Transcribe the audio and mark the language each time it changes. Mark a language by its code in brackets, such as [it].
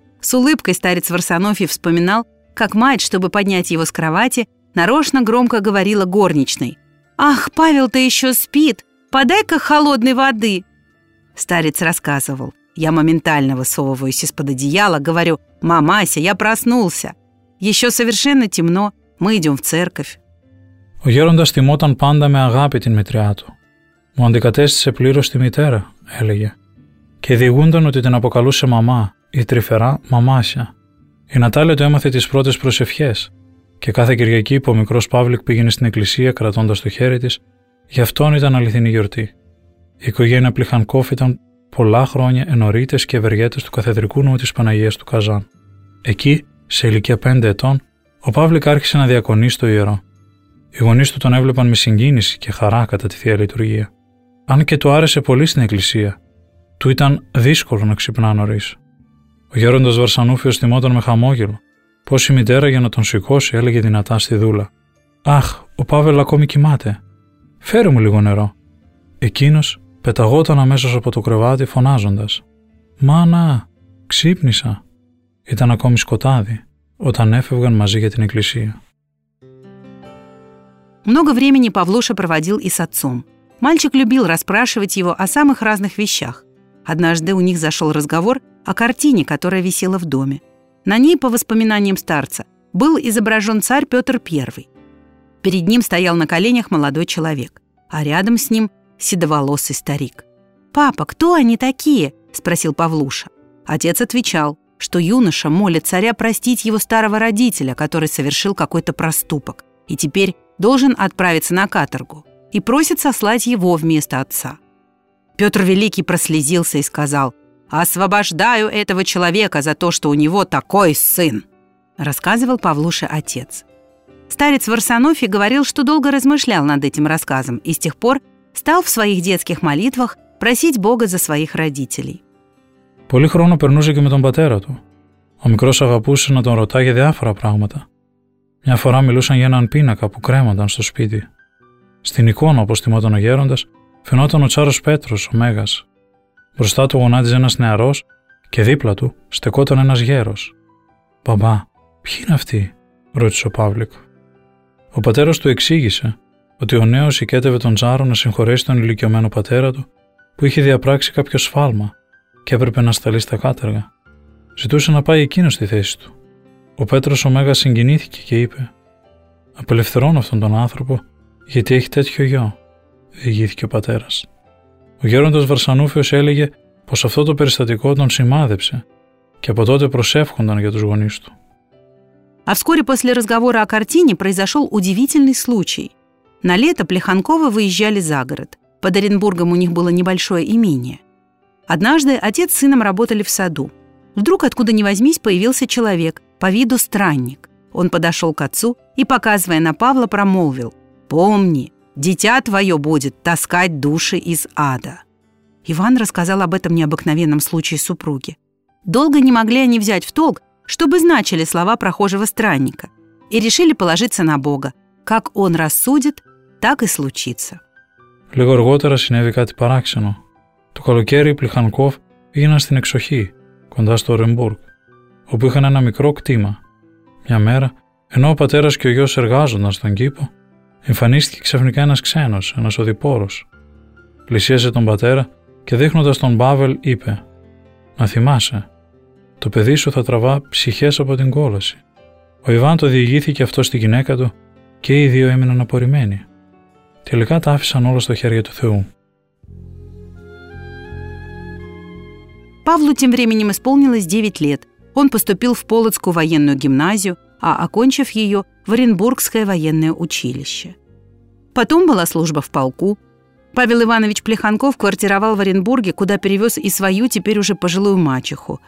[ru] С улыбкой старец Варсонофий вспоминал, как мать, чтобы поднять его с кровати, нарочно громко говорила горничной: «Ах, Павел-то еще спит! Подай-ка холодной воды!» Старец рассказывал: «Я моментально высовываюсь из-под одеяла, говорю: «Мамася, я проснулся!» Еще совершенно темно, мы идем в церковь». [el] Ο γέροντας τιμόταν πάντα με αγάπη την μητριά του. «Μου αντικατέστησε πλήρως τη μητέρα», έλεγε. Και διηγούνταν ότι την αποκαλούσε μαμά, η τρυφερά Μαμάσια. Η Νατάλια του έμαθε τις πρώτες προσευχές. Και κάθε Κυριακή που ο μικρός Παύλικ πήγαινε στην εκκλησία κρατώντας το χέρι της, γι' αυτόν ήταν αληθινή γιορτή. Η οικογένεια Πλιχανκόφ ήταν πολλά χρόνια ενωρίτες και ευεργέτες του καθεδρικού νου της Παναγίας του Καζάν. Εκεί, σε ηλικία 5 ετών, ο Παύλικ άρχισε να διακονεί στο ιερό. Οι γονείς του τον έβλεπαν με συγκίνηση και χαρά κατά τη Θεία Λειτουργία. Αν και του άρεσε πολύ στην εκκλησία, του ήταν δύσκολο να ξυπνά νωρίς. Ο γέροντας Βαρσανούφιος θυμόταν με χαμόγελο πως η μητέρα για να τον σηκώσει έλεγε δυνατά στη δούλα: «Αχ, ο Παύλο ακόμη κοιμάται. Φέρε μου λίγο νερό». Εκείνος πεταγόταν αμέσως από το κρεβάτι φωνάζοντας: «Μάνα, ξύπνησα». Ήταν ακόμη σκοτάδι όταν έφευγαν μαζί για την εκκλησία. [ru] Много времени Павлуша проводил и с отцом. Мальчик любил расспрашивать его о самых разных вещах. Однажды у них зашел разговор о картине, которая висела в доме. На ней, по воспоминаниям старца, был изображен царь Петр I. Перед ним стоял на коленях молодой человек, а рядом с ним седоволосый старик. «Папа, кто они такие?» – спросил Павлуша. Отец отвечал, что юноша молит царя простить его старого родителя, который совершил какой-то проступок, и теперь должен отправиться на каторгу, и просит сослать его вместо отца. Петр Великий прослезился и сказал: «Освобождаю этого человека за то, что у него такой сын», – рассказывал Павлуша отец. Старец Варсонофий говорил, что долго размышлял над этим рассказом и с тех пор стал в своих детских молитвах просить Бога за своих родителей. [el] Πολύ χρόνο περνούσε και με τον πατέρα του. Ο μικρός αγαπούσε να τον ρωτά για διάφορα πράγματα. Μια φορά μιλούσαν για έναν πίνακα που κρέμονταν στο σπίτι. Στην εικόνα, όπως θυμόταν ο γέροντας, φαινόταν ο τσάρος Πέτρος, ο Μέγας. Μπροστά του γονάτιζε ένας νεαρός και δίπλα του στεκόταν ένας γέρος. «Μπαμπά, ποιοι είναι αυτοί?» ρώτησε ο Παύλικ. Ο πατέρας του εξήγησε ότι ο νέος οικέτευε τον τσάρο να συγχωρέσει τον ηλικιωμένο πατέρα του που είχε διαπράξει κάποιο σφάλμα και έπρεπε να σταλεί στα κάταργα. Ζητούσε να πάει εκείνος στη θέση του. Ο Πέτρος ο Μέγας συγκινήθηκε και είπε: «Απελευθερώνω αυτόν τον άνθρωπο, γιατί έχει τέτοιο γιο», διηγήθηκε ο πατέρας. Ο γέροντας Βαρσανούφιος έλεγε πως αυτό το περιστατικό τον σημάδεψε και από τότε προσεύχονταν για τους γονείς του. [ru] А вскоре после разговора о картине произошел удивительный случай. На лето Плеханковы выезжали за город. Под Оренбургом у них было небольшое имение. Однажды отец с сыном работали в саду. Вдруг откуда ни возьмись появился человек, по виду странник. Он подошел к отцу и, показывая на Павла, промолвил: «Помни, дитя твое будет таскать души из ада». Иван рассказал об этом необыкновенном случае супруге. Долго не могли они взять в толк, что бы значили слова прохожего странника, и решили положиться на Бога. Как он рассудит, так и случится. [el] Λίγο αργότερα συνέβη κάτι παράξενο. Το καλοκαίρι οι Πλιχανκόφ πήγαιναν στην εξοχή, κοντά στο Ρεμπούργκ, όπου είχαν ένα μικρό κτήμα. Μια μέρα, ενώ ο πατέρας και ο γιος εργάζονταν στον κήπο, εμφανίστηκε ξαφνικά ένας ξένος, ένας οδοιπόρος. Πλησίασε τον πατέρα και δείχνοντας τον Πάβελ είπε: «Να θυμάσαι, το παιδί σου θα τραβά ψυχές από την κόλαση». Ο Ιβάν το διηγήθηκε αυτό στη γυναίκα του και οι δύο έμειναν απορριμμένοι. Τελικά τα άφησαν όλα στο χέρι του Θεού. [ru] Павлу тем временем исполнилось 9 лет. Он поступил в Полоцкую военную гимназию, а окончив ее, в Оренбургское военное училище. Потом была служба в полку. Павел Иванович Плеханков квартировал в Оренбурге, куда перевез и свою теперь уже пожилую мачеху.